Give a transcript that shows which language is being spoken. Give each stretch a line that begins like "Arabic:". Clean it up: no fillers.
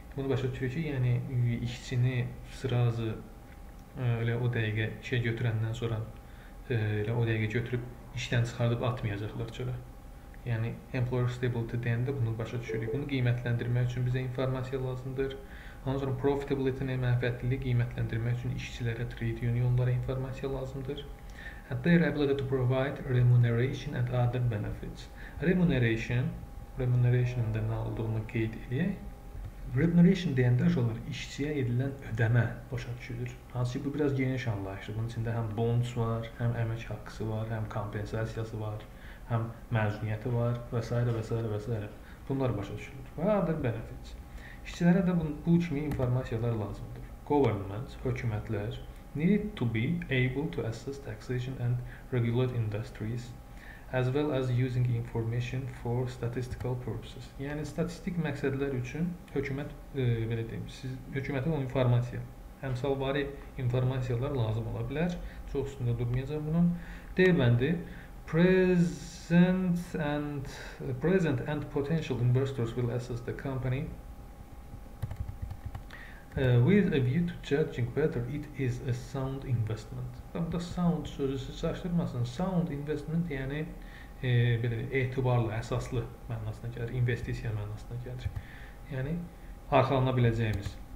Azerbaijani: Bunu başa düşürük ki, yəni işçini sırazı elə o dəqiqə işə götürəndən sonra elə o dəqiqə götürüb işdən çıxardıb atmayacaqlar çölə. Yəni, employer stability deyəndə bunu başa düşürük. Bunu qiymətləndirmək üçün bizə informasiya lazımdır. Ondan sonra profitability-ni, mənfəətliliyi qiymətləndirmək üçün işçilərə, trade unionlara informasiya lazımdır.
English: And their ability to provide remuneration and other benefits.
Azerbaijani: Remuneration da nə olduğunu qeyd edək. Remuneration deyəndə olar, işçiyə edilən ödəmə başa düşülür. Hansı ki, bu biraz geniş anlayışdır. Bunun içində həm bonus var, həm əmək haqqısı var, həm kompensasiyası var, həm məzuniyyəti var və s. və s. və s. Bunlar başa düşülür. Və
English: other benefits.
Azerbaijani: İşçilərə də bu kimi informasiyalar lazımdır.
English: Government, hökumətlər, need to be able to assess taxation and regulate industries as well as using information for statistical purposes.
Azerbaijani: Yəni statistik məqsədlər üçün hökumət belə deyim, siz hökumətə o informasiya, həmsalvari informasiyalar lazım ola bilər. Çox üstündə durmayacağam bunun. D bəndi
English: present and potential investors will assess the company with a view to judging whether it is a sound investment.
Azerbaijani: Burada sound sözü çaşdırmasın. Sound investment yəni belə etibarlı, əsaslı mənasına gəlir, investisiya mənasına gəlir. Yəni arxalana biləcəyimiz.